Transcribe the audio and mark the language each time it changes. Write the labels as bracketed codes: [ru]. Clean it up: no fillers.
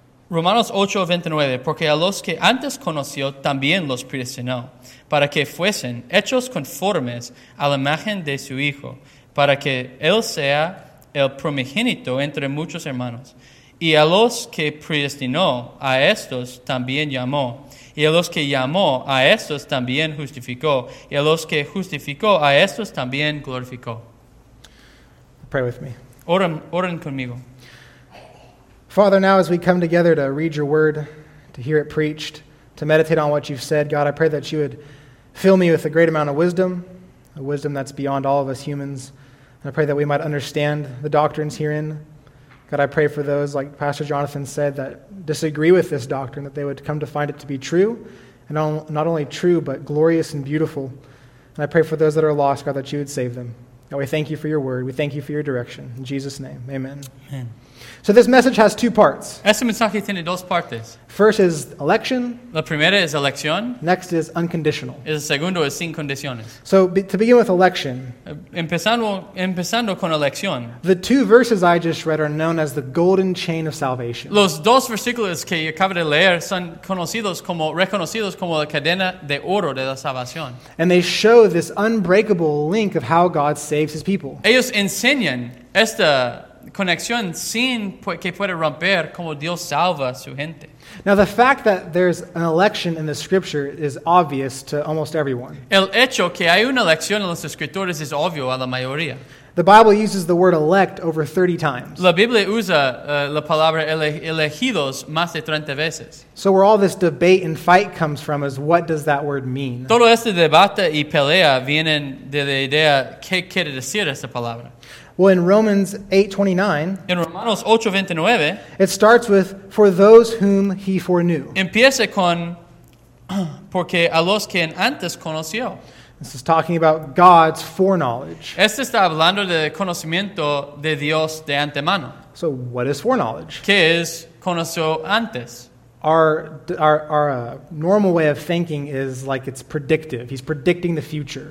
[es] Romanos 8:29, porque a los que antes conoció, también los predestinó, para que fuesen hechos conformes a la imagen de su Hijo, para que él sea el primogénito entre muchos hermanos. Y a los que predestinó, a estos también llamó. Y a los que llamó, a estos también justificó. Y a los que justificó, a estos también glorificó. [en] Pray with me. [es] Oren conmigo. [en] Father, now as we come together to read your word, to hear it preached, to meditate on what you've said, God, I pray that you would fill me with a great amount of wisdom, a wisdom that's beyond all of us humans. And I pray that we might understand the doctrines herein. God, I pray for those, like Pastor Jonathan said, that disagree with this doctrine, that they would come to find it to be true, and not only true, but glorious and beautiful. And I pray for those that are lost, God, that you would save them. God, we thank you for your word. We thank you for your direction. In Jesus' name, amen. Amen. So this message has two parts. [es] Este mensaje tiene dos partes. [en] First is election. [es] La primera es elección. [en] Next is unconditional. [es] El segundo es sin condiciones. [en] So to begin with election. [es] Empezando con elección. [en] The two verses I just read are known as the golden chain of salvation. [es] Los dos versículos que acabo de leer son reconocidos como la cadena de oro de la salvación. [en] And they show this unbreakable link of how God saves his people. [es] Ellos enseñan esta conexión sin que pueda romper como Dios salva a su gente. [en] Now the fact that there's an election in the scripture is obvious to almost everyone. [es] El hecho que hay una elección en las escrituras es obvio a la mayoría. [en] The Bible uses the word elect over 30 times. [es] La Biblia usa la palabra elegidos más de 30 veces. [en] So where all this debate and fight comes from is what does that word mean? [es] Todo este debate y pelea vienen de la idea qué quiere decir esa palabra. [en] Well, in Romans 8:29, [es] en Romanos 8:29, [en] it starts with "for those whom he foreknew." [es] Empieza con porque a los que antes conoció. [en] This is talking about God's foreknowledge. [es] Este está hablando de conocimiento de Dios de antemano. [en] So, what is foreknowledge? [es] ¿Qué es conoció antes? [en] Our normal way of thinking is like it's predictive. He's predicting the future.